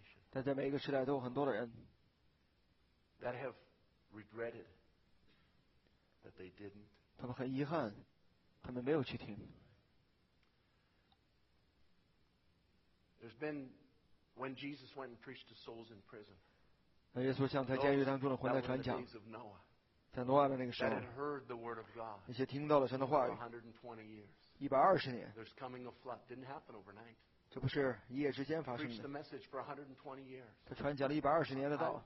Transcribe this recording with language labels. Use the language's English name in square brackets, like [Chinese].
[Chinese] 但在每一个时代，都有很多的人。 [English] That have regretted that they didn't. [Chinese] 他们很遗憾，他们没有去听。 [English] There's been when Jesus went and preached to souls in prison. [Chinese] 那耶稣向在监狱当中的魂在传讲。在挪亚的那个时候。 [English] That had heard the word of God. [Chinese] 那些听到了神的话语。 [English] 120 years. [Chinese] 120年 [English] There's coming a flood. Didn't happen overnight. [Chinese] 这不是一夜之间发生的。 [English] Preached the message for 120 years. [Chinese] 他传讲了120年的道。